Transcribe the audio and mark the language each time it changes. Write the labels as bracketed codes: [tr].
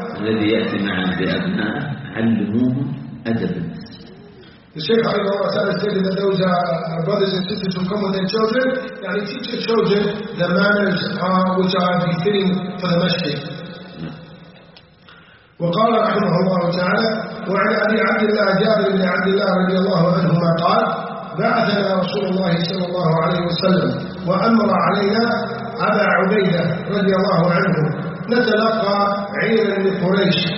[ar] الذي يأتي معنا بأبناء علموهم أدبا. [en] The Shaykh Ali Allah said that those are brothers and sisters who come with their children, and they teach their children the manners which are befitting for the masjid. [ar] وقال رحمه الله تعالى وعن أبي عبد الله جابر بن عبد الله رضي الله عنهما قال بعثنا رسول الله صلى الله عليه وسلم وأمر علينا أبا عبيدة رضي الله عنه نتلقى عيرا لقريش